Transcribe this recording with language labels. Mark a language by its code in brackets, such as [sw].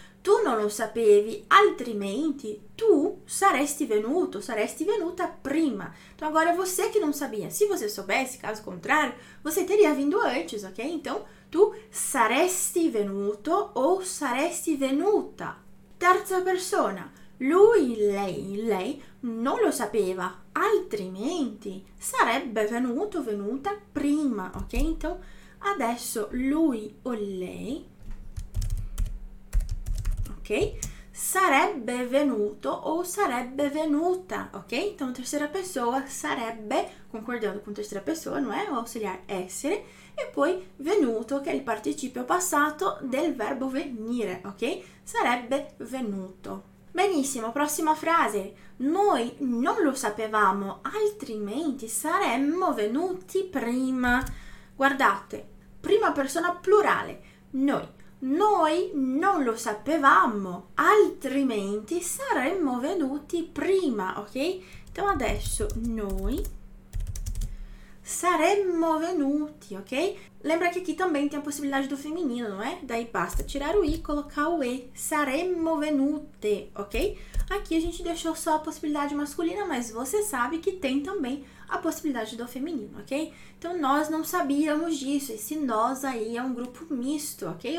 [it] Tu non lo sapevi, altrimenti tu saresti venuto, saresti venuta prima. [pt] Então, agora é você que não sabia. Se você soubesse, caso contrário, você teria vindo antes, ok? [it] Então, tu saresti venuto ou saresti venuta. Terza persona. Lui, lei, non lo sapeva, altrimenti sarebbe venuto, venuta prima, ok? Então, adesso lui o lei... Ok? Sarebbe venuto ou sarebbe venuta, ok? [pt] Então, terceira pessoa, sarebbe, concordando com terceira pessoa, não é? O auxiliar essere. [it] E poi, venuto, che è il participio passato del verbo venire, ok? Sarebbe venuto. Benissimo, prossima frase. Noi non lo sapevamo, altrimenti saremmo venuti prima. Guardate, prima persona plurale, noi. Noi non lo sapevamo, altrimenti saremmo venuti prima, ok? Então adesso noi saremmo venuti, ok? [pt] Lembra che qui também tem a possibilità do feminino, não é? Daí basta tirar o i, colocar o e, [it] saremmo venute, [pt] ok? Aqui a gente deixou só a possibilidade masculina, mas você sabe que tem também a possibilidade do feminino, ok? Então, nós não sabíamos disso, esse nós aí é um grupo misto, ok?